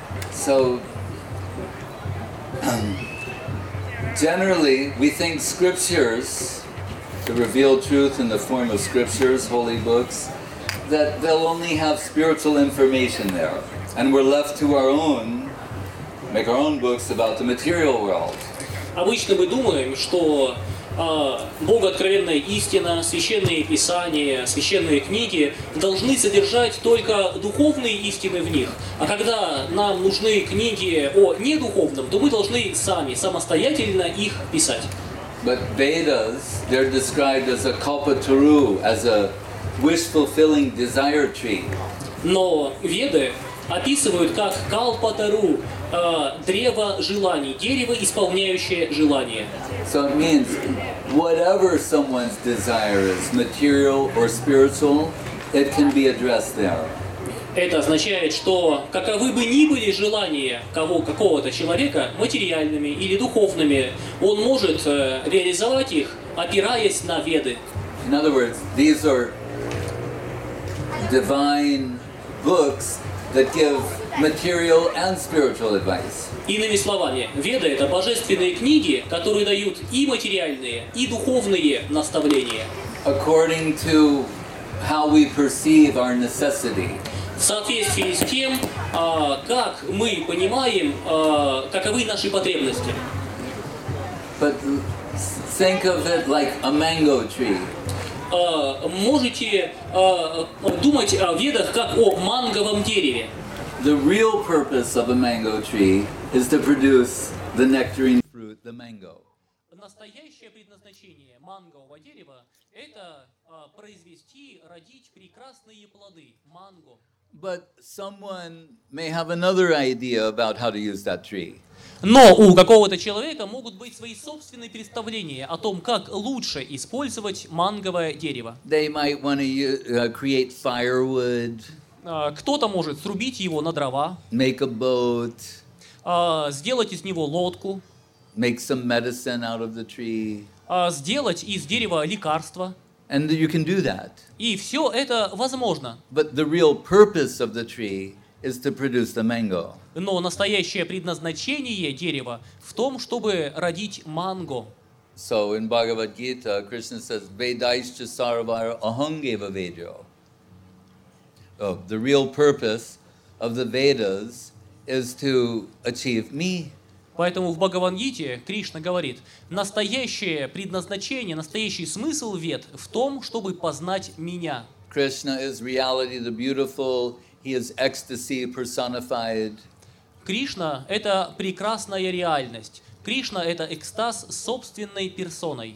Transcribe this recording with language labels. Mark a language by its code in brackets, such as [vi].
[en] So, generally, we think scriptures, the revealed truth in the form of scriptures, holy books, that they'll only have spiritual information there. And we're left to our own, make our own books about the material world. [ru] Обычно мы думаем, что богооткровенная истина, священные писания, священные книги должны содержать только духовные истины в них. А когда нам нужны книги о недуховном, то мы должны сами, самостоятельно их писать. [en] But Vedas, they're described as a kalpataru, as a wish-fulfilling desire tree. [ru] Но Веды описывают как калпатару, древо желаний, дерево, исполняющее желание. [en] So it means, whatever someone's desire is, material or spiritual, it can be addressed there. [ru] Это означает, что каковы бы ни были желания кого, какого-то человека, материальными или духовными, он может реализовать их, опираясь на Веды. [en] In other words, these are divine books that give material and spiritual advice. [ru] Иными словами, Веды — это божественные книги, которые дают и материальные, и духовные наставления. [en] According to how we perceive our necessity. [ru] В соответствии с тем, как мы понимаем, каковы наши потребности. [en] But think of it like a mango tree. [ru] Можете думать о Ведах как о манговом дереве. [en] The real purpose of a mango tree is to produce the nectarine fruit, the mango. [ru] Настоящее предназначение мангового дерева – это произвести, родить прекрасные плоды, манго. [en] But someone may have another idea about how to use that tree. [ru] Но у какого-то человека могут быть свои собственные представления о том, как лучше использовать манговое дерево. [en] They might want to create firewood. [ru] Кто-то может срубить его на дрова. [en] Make a boat. [ru] Сделать из него лодку. [en] Make some medicine out of the tree. [ru] Сделать из дерева лекарство. [en] And you can do that. [ru] И все это возможно. [en] But the real purpose of the tree is to produce the mango. [ru] Но настоящее предназначение дерева в том, чтобы родить манго. [en] So in Bhagavad Gita, Krishna says, [sa] "Vedaischa sarvara ahangeva vedyo." [en] Oh, the real purpose of the Vedas is to achieve me. [ru] Поэтому в Бхагавад-гите Кришна говорит, настоящее предназначение, настоящий смысл Вед в том, чтобы познать меня. [en] Krishna is reality, the beautiful. He is ecstasy personified. [ru] Кришна – это прекрасная реальность. Кришна – это экстаз собственной персоной.